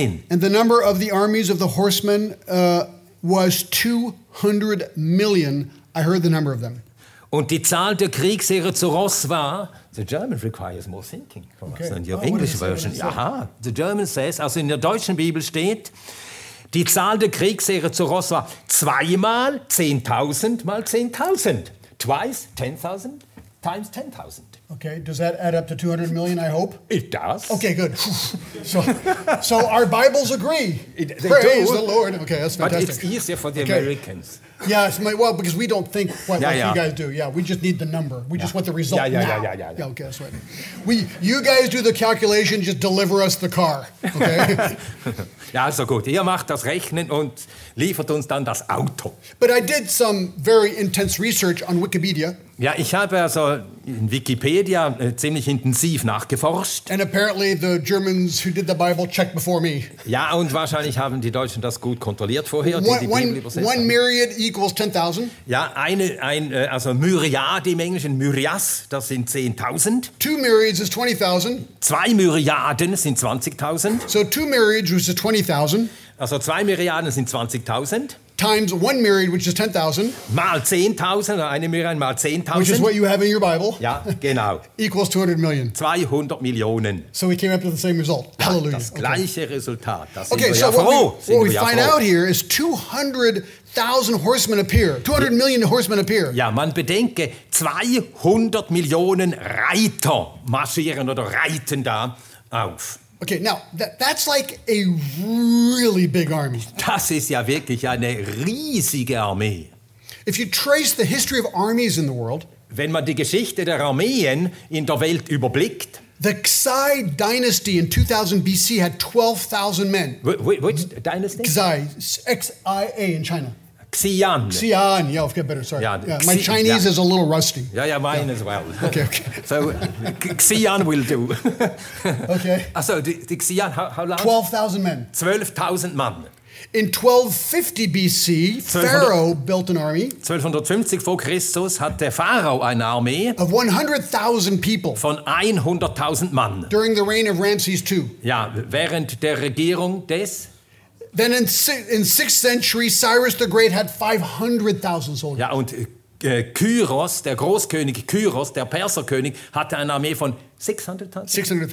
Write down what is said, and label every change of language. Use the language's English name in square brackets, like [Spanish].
[English] And the number of the armies of the horsemen was 200 million. I heard the number of them. [German] Und die Zahl der Kriegsheere zu Ross war. [English] The German requires more thinking. Okay. Than your English version. Aha. The German says, [German] also in der deutschen Bibel steht, die Zahl der Kriegsheere zu Ross war 2 × 10,000 × 10,000. [English] Twice 10,000 × 10,000. Okay, does that add up to 200 million, I hope? It does. Okay, good. So our Bibles agree. Praise the Lord. Okay, that's fantastic. But it's easier for the Americans. Yes, well, because we don't think like you guys do. Yeah, we just need the number. We just want the result now. Yeah, okay, that's right. You guys do the calculation, just deliver us the car, okay? [German] Ja, also gut. Ihr macht das Rechnen und liefert uns dann das Auto. [English] But I did some very intense research on Wikipedia. [German] Ja, ich habe also in Wikipedia ziemlich intensiv nachgeforscht. [English] And apparently the Germans who did the Bible checked before me. [German] Ja, und wahrscheinlich haben die Deutschen das gut kontrolliert vorher, die Bibel übersetzt. [English] 1 myriad equals 10,000. [German] Ja, also Myriad im Englischen, Myrias, das sind 10,000. [English] 2 myriads is 20,000. [German] 2 Myriaden sind 20,000. [English] So 2 myriads was 20,000. [German] Also 2 Myriaden sind 20,000. [English] times one myriad, which is 10,000. [German] Mal 10,000, eine Myriad mal 10,000. [English] Which is what you have in your Bible. [German] Ja, genau. [English] Equals 200 million. [German] 200 Millionen. [English] So we came up with the same result. Hallelujah. [German] Das gleiche Resultat. [English] Okay, so what we find out here is 200,000 horsemen appear. 200 million horsemen appear. [German] Ja, man bedenke, 200 Millionen Reiter marschieren oder reiten da auf. [English] Okay, now, that's like a really big army. [German] Das ist ja wirklich eine riesige Armee. [English] If you trace the history of armies in the world, [German] wenn man die Geschichte der Armeen in der Welt überblickt, [English] the Xi dynasty in 2000 BC had 12,000 men. Which dynasty? Xi, X-I-A in China. Xi'an. Xi'an, yeah, I'll get better, sorry. Yeah, yeah. My Chinese is a little rusty. Yeah, mine as well. Okay. So, Xi'an will do. Okay. So, the Xi'an, how long? 12,000 men. 12,000 men. In 1250 BC, Pharaoh built an army. [German] 1250 vor Christus hatte Pharao eine Armee. [English] Of 100,000 people. [German] Von 100,000 Mann. [English] During the reign of Ramses II. [German] Ja, während der Regierung des... [English] Then in 6th century, Cyrus the Great had 500,000 soldiers. [German] Ja, und Kyros, der Großkönig Kyros, der Perserkönig, hatte eine Armee von 500,000.